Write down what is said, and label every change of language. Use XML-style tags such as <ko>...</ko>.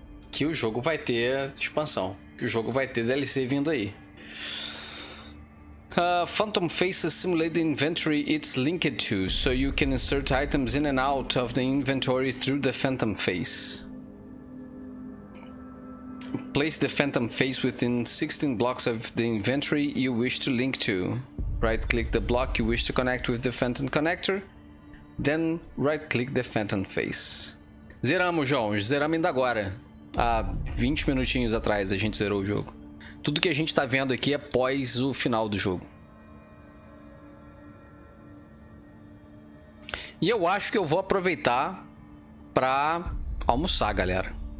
<pt>Que o jogo vai ter expansão. Que o jogo vai ter DLC vindo aí.</pt> <en>Phantom Faces simulate the inventory it's linked to, so you can insert items in and out of the inventory through the Phantom Face. Place the Phantom Face within 16 blocks of the inventory you wish to link to. Right-click the block you wish to connect with the Phantom Connector, then right-click the Phantom Face.</en> <pt>Zeramos, João. Zeramos ainda agora. Há 20 minutinhos atrás a gente zerou o jogo. Tudo que a gente tá vendo aqui é após o final do jogo. E eu acho que eu vou aproveitar pra almoçar, galera.</pt>